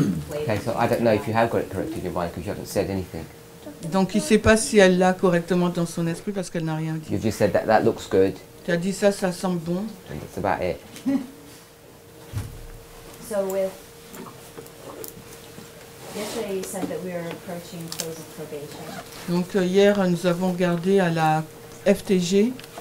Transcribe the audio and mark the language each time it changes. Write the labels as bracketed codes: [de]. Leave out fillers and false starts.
[en] Okay, so I don't know if you have got it correctly in your mind because you haven't said anything. [fr] Donc il ne sait pas si elle l'a correctement dans son esprit parce qu'elle n'a rien dit. [en] You just said that looks good. [fr] Tu as dit ça semble bon. [en] And that's about it. So with yesterday you said that we are approaching close of probation. [fr] Donc hier nous avons gardé à la FTG.